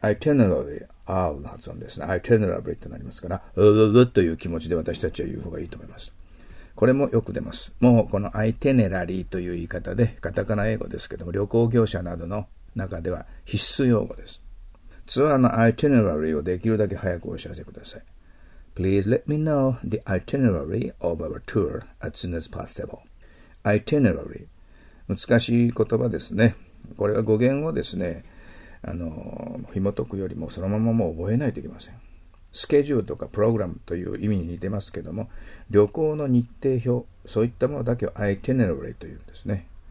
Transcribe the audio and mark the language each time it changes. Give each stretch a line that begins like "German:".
Japanese: itinerary、 R の発音ですね。itinerary となりますから、ううという気持ちで私たちは言う方がいいと思います。これもよく出ます。もうこの itinerary という言い方でカタカナ英語ですけども、旅行業者などの中では必須用語です。ツアーの itinerary をできるだけ早くお知らせください。
English: Please let me know the itinerary of our tour as soon as possible。
Japanese: itinerary、 難しい言葉ですね。これは語源をですね、紐解くよりもそのままもう覚えないといけません。スケジュールとかプログラムという意味に似てますけども、旅行の日程表、そういったものだけを itinerary というんですね。